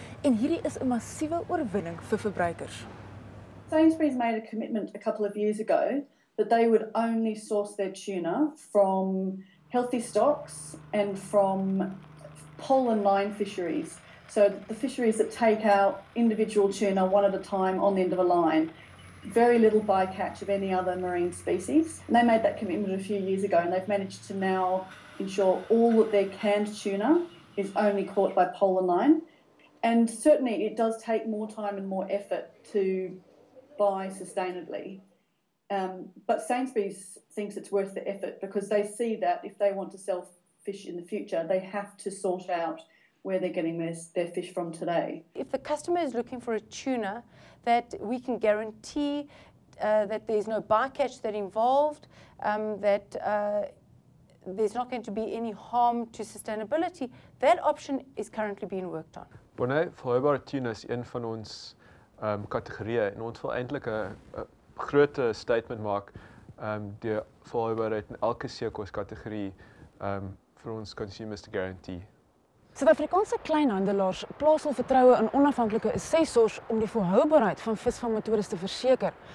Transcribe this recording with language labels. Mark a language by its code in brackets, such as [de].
[af] En hierdie is 'n massiewe oorwinning vir verbruikers. [en] Sainsbury's made a commitment a couple of years ago that they would only source their tuna from healthy stocks and from pole and line fisheries. So the fisheries that take out individual tuna one at a time on the end of a line. Very little bycatch of any other marine species. And they made that commitment a few years ago and they've managed to now ensure all of their canned tuna is only caught by pole and line. And certainly it does take more time and more effort to buy sustainably. But Sainsbury's thinks it's worth the effort because they see that if they want to sell fish in the future, they have to sort out where they're getting their fish from today. If the customer is looking for a tuna that we can guarantee that there's no bycatch that involved, that there's not going to be any harm to sustainability, that option is currently being worked on. [af] Bonne, volhoubare tuna is een van ons kategorieë en ons wil eintlik 'n groot statement maak die volhoubaarheid in elke seekos kategorie vir ons consumers te guarantee. Suid-Afrikaanse kleinhandelaars plaas hul vertroue in onafhanklike assessors om die volhoubaarheid van visvangmetodes te verseker.